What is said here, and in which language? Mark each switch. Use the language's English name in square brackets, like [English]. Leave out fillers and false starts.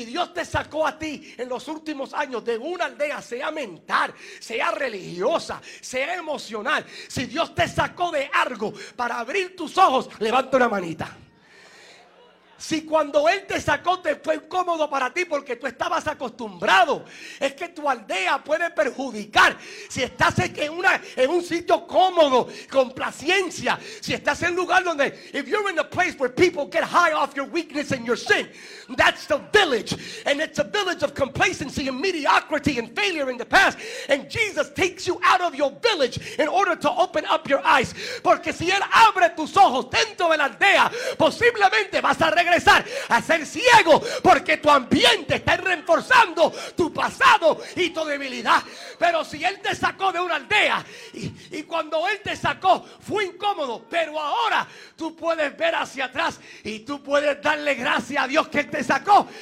[Spanish] Si Dios te sacó a ti en los últimos años de una aldea, sea mental, sea religiosa, sea emocional, si Dios te sacó de algo para abrir tus ojos, levanta una manita. Si cuando Él te sacó te fue incómodo para ti porque tú estabas acostumbrado, es que tu aldea puede perjudicar. Si estás en un sitio cómodo, complacencia, si estás en un lugar donde, [English] if you're in a place where people get high off your weakness and your sin, that's the village, and it's a village of complacency and mediocrity and failure in the past, and Jesus takes you out of your village in order to open up your eyes. [Spanish] Porque si Él abre tus ojos dentro de la aldea, posiblemente vas a regresar a ser ciego porque tu ambiente está reforzando tu pasado y tu debilidad. Pero si Él te sacó de una aldea y cuando Él te sacó fue incómodo, pero ahora tú puedes ver hacia atrás y tú puedes darle gracias a Dios que Él te sacó.